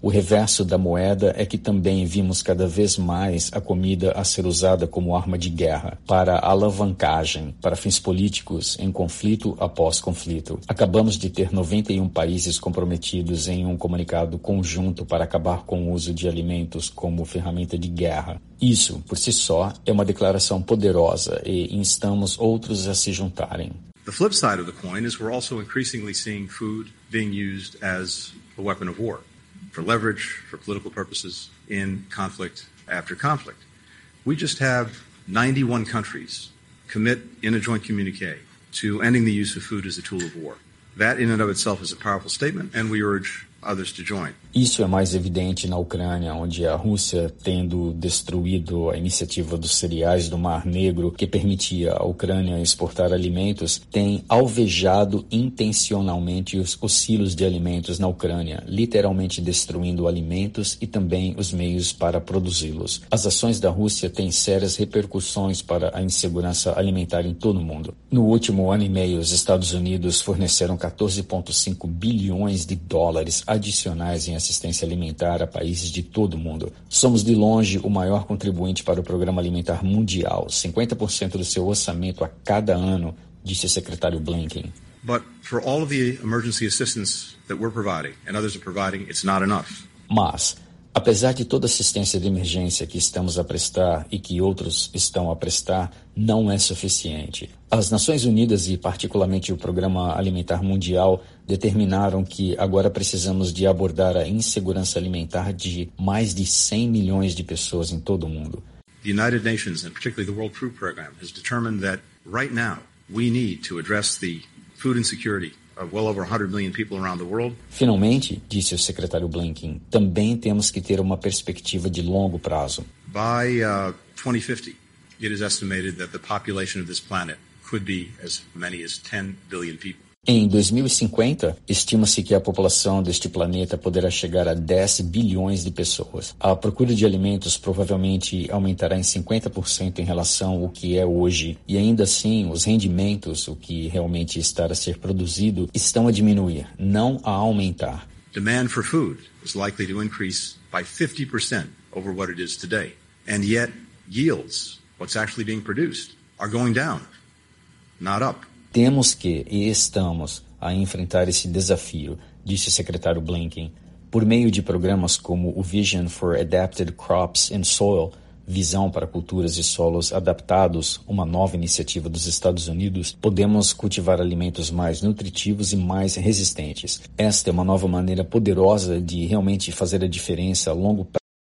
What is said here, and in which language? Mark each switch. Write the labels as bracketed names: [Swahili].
[Portuguese] O reverso da moeda é que também vimos cada vez mais a comida a ser usada como arma de guerra, para alavancagem, para fins políticos, em conflito após conflito. Acabamos de ter 91 países comprometidos em um comunicado conjunto para acabar com o uso de alimentos como ferramenta de guerra. Isso, por si só, é uma declaração poderosa e instamos outros a se juntarem. [English] The flip side of the coin is we're also increasingly seeing food being used as a weapon of war, for leverage, for political purposes, in conflict after conflict. We just have 91 countries commit in a joint communique to ending the use of food as a tool of war. That in and of itself is a powerful statement, and we urge others to join. [Portuguese] Isso é mais evidente na Ucrânia, onde a Rússia, tendo destruído a iniciativa dos cereais do Mar Negro, que permitia à Ucrânia exportar alimentos, tem alvejado intencionalmente os silos de alimentos na Ucrânia, literalmente destruindo alimentos e também os meios para produzi-los. As ações da Rússia têm sérias repercussões para a insegurança alimentar em todo o mundo. No último ano e meio, os Estados Unidos forneceram 14,5 bilhões de dólares adicionais em assistência alimentar a países de todo o mundo. Somos de longe o maior contribuinte para o Programa Alimentar Mundial, 50% do seu orçamento a cada ano, disse o secretário Blinken. [English] But for all of the emergency assistance that we're providing and others are providing, it's not enough. [Portuguese] Mas Apesar de toda assistência de emergência que estamos a prestar e que outros estão a prestar, não é suficiente. As Nações Unidas e, particularmente, o Programa Alimentar Mundial determinaram que agora precisamos de abordar a insegurança alimentar de mais de 100 milhões de pessoas em todo o mundo. [English] The United Nations and particularly the World Food Program has determined that right now we need to address the food insecurity of well over 100 million people around the world. [Portuguese] Finalmente, disse o secretário Blinken, também temos que ter uma perspectiva de longo prazo. [English] By 2050, it is estimated that the population of this planet could be as many as 10 billion people. [Portuguese] Em 2050, estima-se que a população deste planeta poderá chegar a 10 bilhões de pessoas. A procura de alimentos provavelmente aumentará em 50% em relação ao que é hoje. E ainda assim, os rendimentos, o que realmente está a ser produzido, estão a diminuir, não a aumentar. [English] Demand for food is likely to increase by 50% over what it is today. And yet, yields, what's actually being produced, are going down, not up. [Portuguese] Temos que e estamos a enfrentar esse desafio, disse o secretário Blinken. Por meio de programas como o Vision for Adapted Crops and Soil, Visão para Culturas e Solos Adaptados, uma nova iniciativa dos Estados Unidos, podemos cultivar alimentos mais nutritivos e mais resistentes. Esta é uma nova maneira poderosa de realmente fazer a diferença a longo prazo.